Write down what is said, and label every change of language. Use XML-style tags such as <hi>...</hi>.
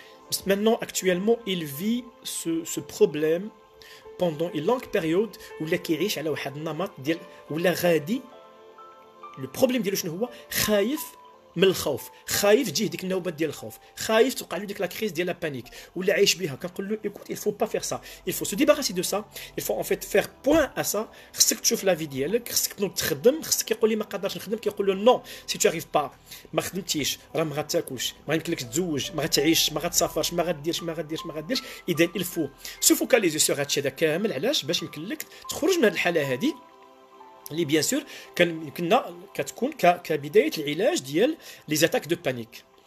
<fr>بس مانون اكطويلمون il vit ce problème pendant une longue période،</fr> <ar>ولا كيعيش على واحد النمط ديال ولا غادي. لو بروبليم ديالو شنو هو؟ خايف من الخوف، خايف تجيه ديك النوبات ديال الخوف، خايف توقع له ديك لا كريز ديال لا بانيك، ولا عايش بها. كنقول له</ar> <fr>ايكوت il faut pas faire ça، il faut se débarrasser de ça، il faut en fait faire point à ça،</fr> <ar>خصك تشوف لا في ديالك، خصك تنوض تخدم. خصك يقول لي ما قدرش نخدم، كيقول له</ar> <fr>نو سي تو اريف با،</fr> <ar>ما خدمتيش راه ما غاتاكلش، ما يمكنلكش تتزوج، ما غاتعيش، ما غاتسافرش، ما غاديرش، ما غاديرش، ما غاديرش. اذا</ar> <fr>il faut se focaliser sur</fr> <ar>هذا الشيء هذا كامل. علاش؟ باش يمكنلك تخرج من هذه الحاله هذه، اللي بيان سور كان يمكننا كتكون كبدايه العلاج ديال لي زاتاك دو بانيك.</ar>